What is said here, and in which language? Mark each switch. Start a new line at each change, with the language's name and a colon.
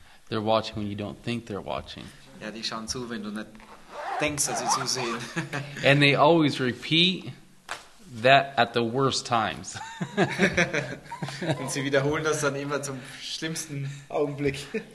English: They're watching when you don't think they're watching.
German: Ja, die schauen zu, wenn du nicht denkst, dass sie zu sehen.
English: And they always repeat that at the worst times.
German: Und sie wiederholen das dann immer zum schlimmsten Augenblick.